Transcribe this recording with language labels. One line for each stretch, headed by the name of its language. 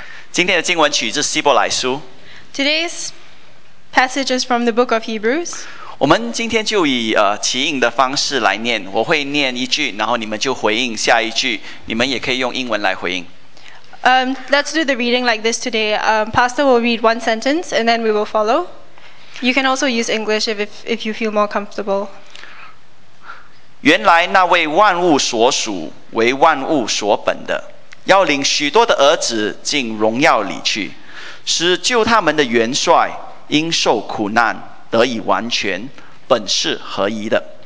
Chinese: 今天的经文取自希伯来书.
English: Today's passage is from the book of Hebrews.
Chinese: 我们今天就以起引的方式来念, 我会念一句, 然后你们就回应下一句, 你们也可以用英文来回应.
English: Let's do the reading like this today. Pastor will read one sentence and then we will follow. You can also use English if you feel more comfortable.
Chinese: 原来那位万物所属为万物所本的, 要领许多的儿子进荣耀里去, 使救他们的元帅, 因受苦难, 得以完全, 本是合宜的。